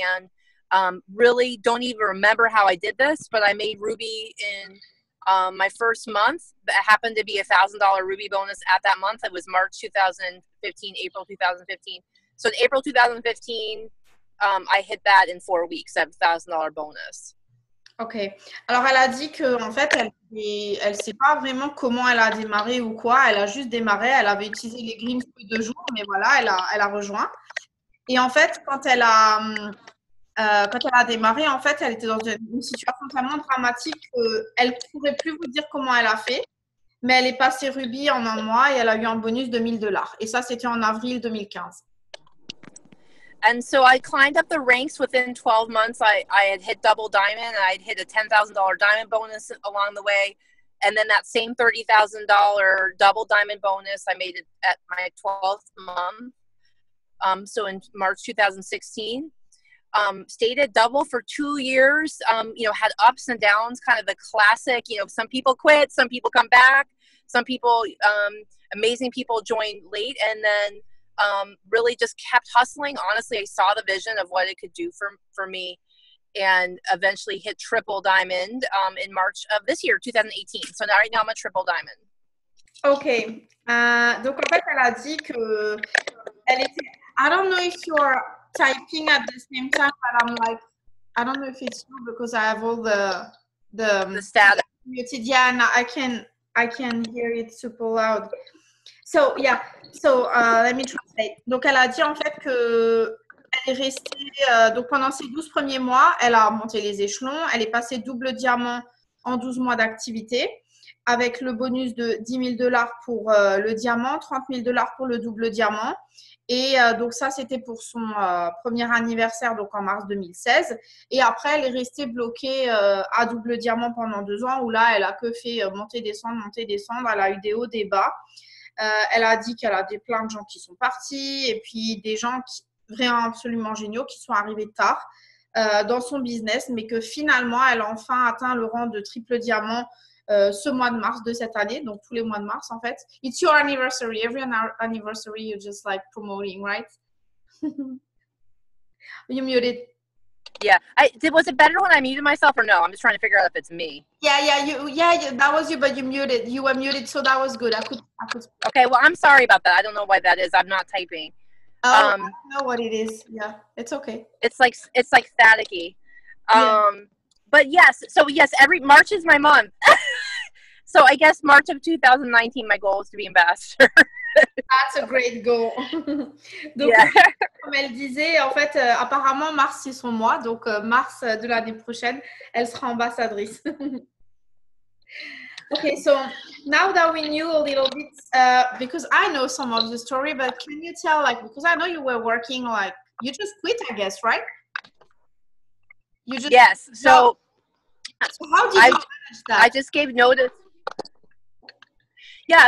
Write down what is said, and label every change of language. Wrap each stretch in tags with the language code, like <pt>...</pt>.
<en>And really don't even remember how I did this, but I made Ruby in my first month. That happened to be a $1,000 Ruby bonus at that month. It was March 2015, April 2015. So in April 2015, I hit that in 4 weeks, that $1,000 bonus. Ok.</en> <fr>Alors, elle a dit qu'en fait, elle ne sait pas vraiment comment elle a démarré ou quoi. Elle a juste démarré. Elle avait utilisé les greens plus de jours, mais voilà, elle a rejoint. Et en fait, quand elle a démarré, en fait, elle était dans une situation tellement dramatique qu'elle ne pourrait plus vous dire comment elle a fait, mais elle est passée Ruby en un mois et elle a eu un bonus de $1,000. Et ça, c'était en avril 2015.</fr> <en>And so I climbed up the ranks within 12 months. I had hit double diamond. I had hit a $10,000 diamond bonus along the way. And then that same $30,000 double diamond bonus, I made it at my 12th month. So in March 2016. Stayed at double for 2 years, you know, had ups and downs, kind of the classic, you know, some people quit, some people come back, some people, amazing people join late, and then really just kept hustling. Honestly, I saw the vision of what it could do for me, and eventually hit triple diamond in March of this year, 2018. So now, right now, I'm a triple diamond. Okay.</en> <fr>Donc, en fait, elle a dit que elle était...</fr> <en>I don't know if you're typing at the same time, but I'm like, I don't know if it's true because I have all the static muted. Yeah, and I can hear it super loud. So, yeah. So, let me translate.</en> <fr>Donc, elle a dit, en fait, que... Elle est restée, donc pendant ses 12 premiers mois, elle a monté les échelons. Elle est passée double diamant en 12 mois d'activité avec le bonus de 10 000 $ pour le diamant, 30 000 $ pour le double diamant. Et donc ça, c'était pour son premier anniversaire, donc en mars 2016. Et après, elle est restée bloquée à double diamant pendant 2 ans où là, elle a que fait monter, descendre. Elle a eu des hauts, des bas. Elle a dit qu'elle a des plein de gens qui sont partis et puis des gens qui... vraiment absolument géniaux qui sont arrivés tard dans son business, mais que finalement elle a enfin atteint le rang de triple diamant ce mois de mars de cette année, donc tous les mois de mars en fait.</fr> <en>It's your anniversary, every anniversary you just like promoting, right? You muted. Yeah, was it better when I muted myself or no? I'm just trying to figure out if it's me. Yeah, that was you, but you muted. You were muted, so that was good. I could. Okay, well, I'm sorry about that. I don't know why that is. I'm not typing. Oh, I don't know what it is. Yeah, it's okay. It's like staticky. But yes, so yes, every March is my month. So I guess March of 2019, my goal is to be ambassador. That's a great goal. Donc, yeah.</en> <fr>Comme elle disait, en fait, apparemment, mars c'est son mois. Donc, mars de l'année prochaine, elle sera ambassadrice.</fr> <en>Okay, so now that we knew a little bit, because I know some of the story, but can you tell, like, because I know you were working, like, you just quit, I guess, right? You just yes. So, so how did you manage that? I just gave notice. Yeah.</en>